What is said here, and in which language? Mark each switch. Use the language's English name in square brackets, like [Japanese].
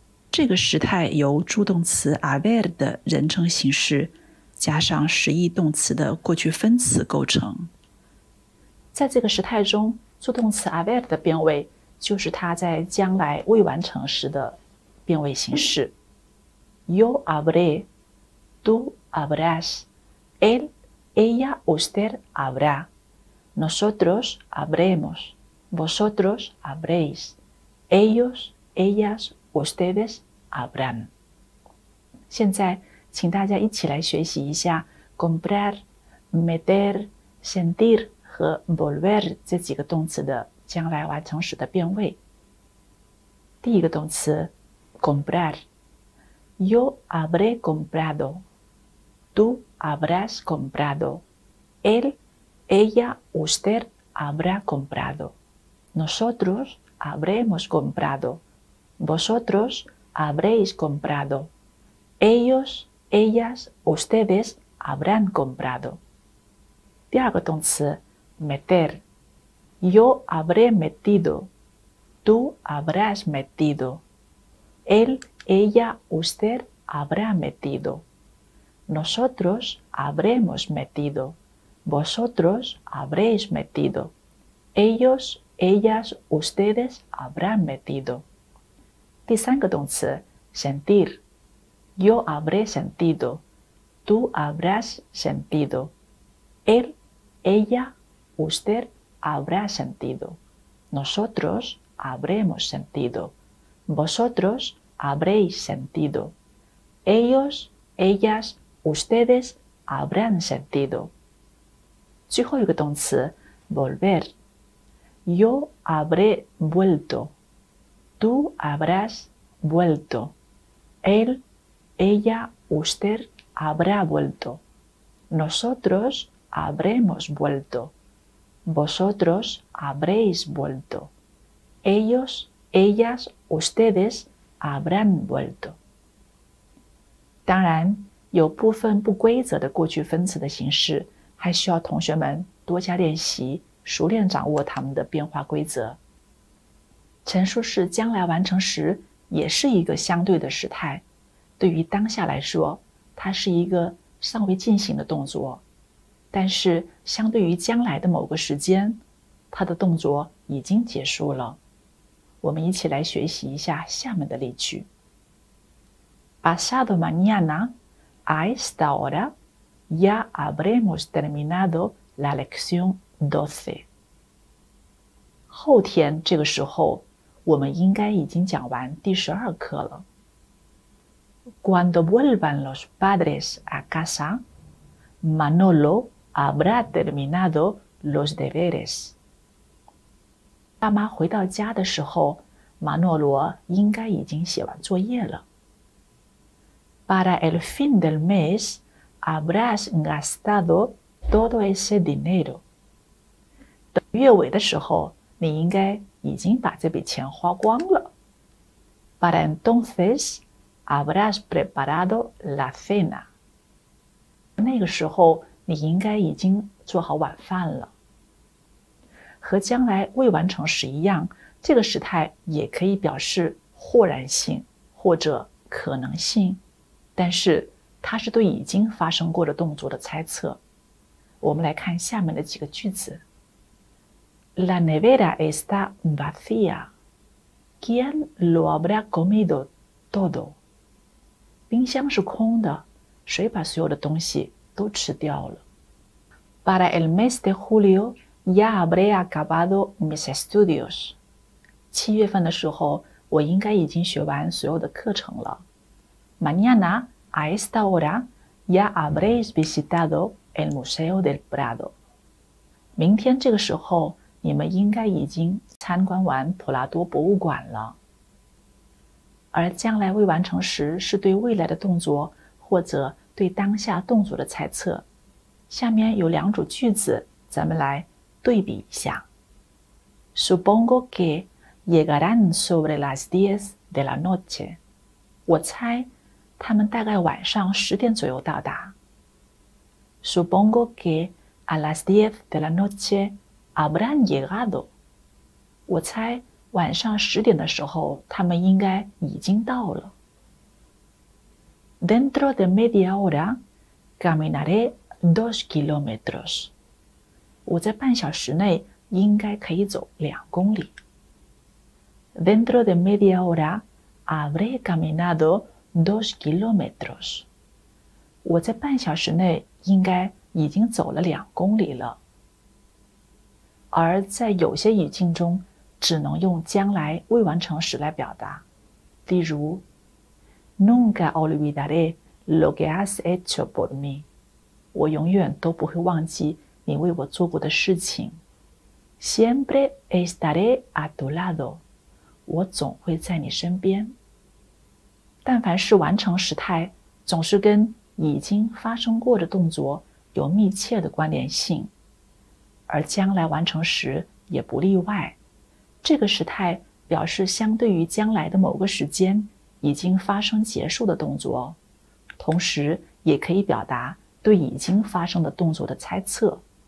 [Chinese] 这个时态由助动词 aver 的人称形式加上实义动词的过去分词构成。在这个时态中，助动词 aver 的变位就是它在将来未完成时的变位形式。 [Spanish] Yo habré, tú habrás, él, ella, usted habrá, nosotros habremos, vosotros habréis, ellos, ellas, ustedes habrán. [Chinese] 现在，请大家一起来学习一下 comprar, meter, sentir 和 volver 这几个动词的将来完成时的变位。第一个动词 comprar。 [Spanish] Yo habré comprado. Tú habrás comprado. Él, ella, usted habrá comprado. Nosotros habremos comprado. Vosotros habréis comprado. Ellos, ellas, ustedes habrán comprado. [Chinese] 第二个动词 meter. [Spanish] Yo habré metido. Tú habrás metido. Él, ella, usted habrá metido. Nosotros habremos metido. Vosotros habréis metido. Ellos, ellas, ustedes habrán metido. [Chinese] 第三个动词 sentir. [Spanish] Yo habré sentido. Tú habrás sentido. Él, ella, usted habrá sentido. Nosotros habremos sentido. Vosotros habréis sentido. Ellos, ellas, ustedes habrán sentido. [Chinese] 最后一个动词 volver. [Spanish] Yo habré vuelto. Tú habrás vuelto. Él, ella, usted habrá vuelto. Nosotros habremos vuelto. Vosotros habréis vuelto. Ellos, ellas, ustedes habrán vuelto。 [Chinese] 当然，有部分不规则的过去分词的形式，还需要同学们多加练习，熟练掌握它们的变化规则。陈述式将来完成时也是一个相对的时态，对于当下来说，它是一个尚未进行的动作，但是相对于将来的某个时间，它的动作已经结束了。我们一起来学习一下下面的例句： [Spanish] Pasado mañana, a esta hora, ya habremos terminado la lección doce。 [Chinese] 后天这个时候，我们应该已经讲完第十二课了。 [Spanish] Cuando vuelvan los padres a casa, Manolo habrá terminado los deberes。 [Chinese] 爸妈回到家的时候，马诺罗应该已经写完作业了。 [Spanish] Para el fin del mes habrás gastado todo ese dinero。 [Chinese] 等月尾的时候，你应该已经把这笔钱花光了。 [Spanish] Para entonces habrás preparado la cena。 [Chinese] 那个时候，你应该已经做好晚饭了。和将来未完成时一样。这个时态也可以表示豁然性或者可能性，但是它是对已经发生过的动作的猜测。我们来看下面的几个句子： [Spanish] La nevera está vacía. ¿Quién lo habrá comido todo？ [Chinese] 冰箱是空的，谁把所有的东西都吃掉了？ [Spanish] Para el mes de julio ya habré acabado mis estudios。 [Chinese] 七月份的时候，我应该已经学完所有的课程了。 [Spanish] Mañana a esta hora ya habréis visitado el Museo del Prado。 [Chinese] 明天这个时候，你们应该已经参观完普拉多博物馆了。而将来未完成时是对未来的动作或者对当下动作的猜测。下面有两组句子，咱们来对比一下。 [Spanish] Supongo que llegarán sobre las 10 de la noche。 [Chinese] 我猜他们大概晚上10点左右到达。 [Spanish] Supongo que a las 10 de la noche habrán llegado. [Chinese] 我猜晚上10点的时候他们应该已经到了。 [Spanish] Dentro de media hora caminaré 2 kilómetros. [Chinese] 我在半小时内应该可以走2公里。 [Spanish] Dentro de media hora habré caminado 2 kilómetros. [Chinese] 我在半小时内应该已经走了2公里了。而在有些语境中只能用将来未完成时来表达。 [Spanish] 例如 Nunca olvidaré lo que has hecho por mí. [Chinese] 我永远都不会忘记你为我做过的事情。 [Spanish] Siempre estaré a tu lado. [Chinese] 我总会在你身边。但凡是完成时态总是跟已经发生过的动作有密切的关联性，而将来完成时也不例外。这个时态表示相对于将来的某个时间已经发生结束的动作，同时也可以表达对已经发生的动作的猜测。